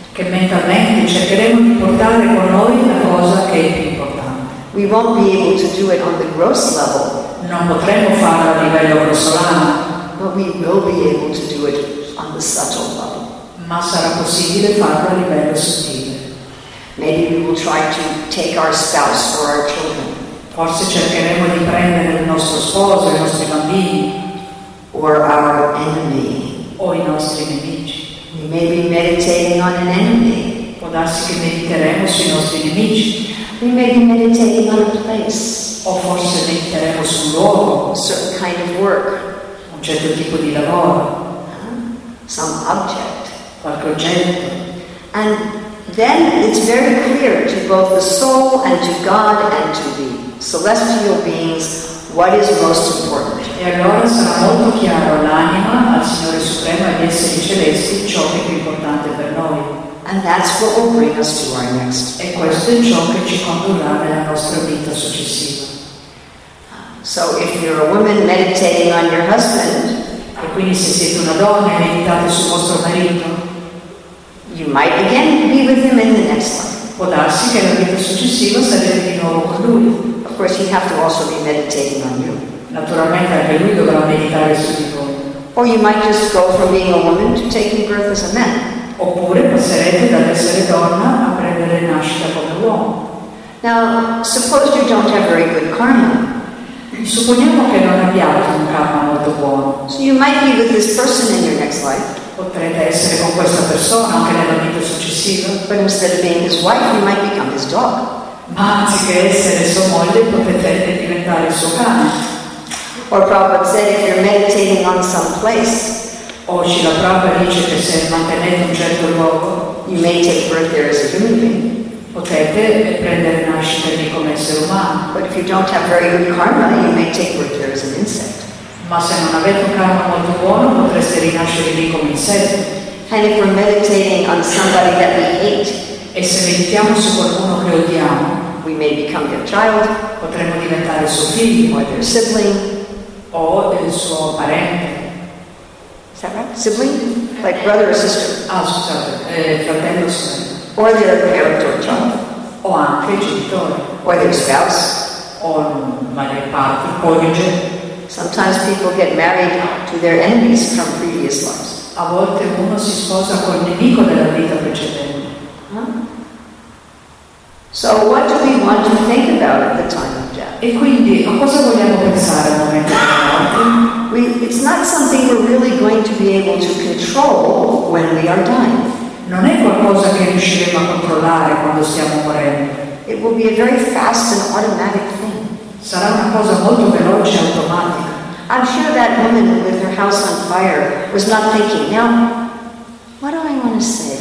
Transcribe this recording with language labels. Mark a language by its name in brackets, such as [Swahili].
[Italian] Che mentalmente cercheremo di portare con noi la cosa che è più importante. [English] We won't be able to do it on the gross level. [Italian] Non potremo farlo a livello grossolano. [English] But we will be able to do it on the subtle level. [Italian] Ma sarà possibile farlo a livello sottile. [English] Maybe we will try to take our spouse or our children. [Italian] Forse cercheremo di prendere il nostro sposo, i nostri bambini. [English] Or our enemy. [Italian] O i nostri nemici. [English] We may be meditating on an enemy. [Italian] Può darsi che mediteremo sui nostri nemici. [English] We may be meditating on a place. [Italian] O forse mediteremo su un luogo. [English] A certain kind of work. [Italian] Un certo tipo di lavoro. [English] Some object. [Italian] Qualche oggetto. [English] And then it's very clear to both the soul and to God and to the celestial beings what is most important. [Italian] E allora sarà molto chiaro all'anima, al Signore Supremo e agli esseri celesti ciò che è più importante per noi. [English] And that's what will bring us to our next. [Italian] E questo è ciò che ci condurrà nella nostra vita successiva. [English] So if you're a woman meditating on your husband, [Italian] e quindi se siete una donna e meditate sul vostro marito, [English] you might again be with him in the next life. [Italian] Può darsi che la vita successiva sarete di nuovo con lui. [English] Of course, he'd have to also be meditating on you. [Italian] Naturalmente anche lui dovrà meditare su di voi. [English] Or you might just go from being a woman to taking birth as a man. [Italian] Oppure passerete dall'essere donna a prendere nascita come uomo. [English] Now, suppose you don't have very good karma. [Italian] Supponiamo che non abbiate un karma molto buono. [English] So you might be with this person in your next life. [Italian] Potrete essere con questa persona anche nella vita successiva. [English] But instead of being his wife, you might become his dog. [Italian] ma anziché essere sua moglie potete diventare suo cane. [English] Or Prabhupada said, if you're meditating on some place, [Italian] o Srila Prabhupada dice che se mantenete un certo luogo, [English] you may take birth there as a human being. [Italian] Potete prendere nascita lì come essere umano. [English] But if you don't have very good karma, you may take birth there as an insect. [Italian] Ma se non avete un karma molto buono, potreste rinascere lì come insetto. [English] And if we're meditating on somebody that we hate, [Italian] e se meditiamo su qualcuno che odiamo, [English] we may become their child, [Italian] potremmo diventare suo figlio, [English] or their sibling, [Italian] o il suo parente. [English] Is that right? Sibling? Like brother or sister? [Italian] Ah, scusate, fratello o sorella. [English] Or their parent or child. [Italian] O anche genitore. [English] Or their spouse. [Italian] O marito, padre, coniuge. [English] Sometimes people get married to their enemies from previous lives. [Italian] A volte uno si sposa col nemico della vita precedente. [English] So what do we want to think about at the time of death? [Italian] E quindi a cosa vogliamo pensare al momento della morte? [English] It's not something we're really going to be able to control when we are dying. [Italian] Non è qualcosa che riusciremo a controllare quando stiamo morendo. [English] It will be a very fast and automatic thing. [Italian] Sarà una cosa molto veloce e automatica. [English] I'm sure that woman with her house on fire was not thinking, now, what do I want to save?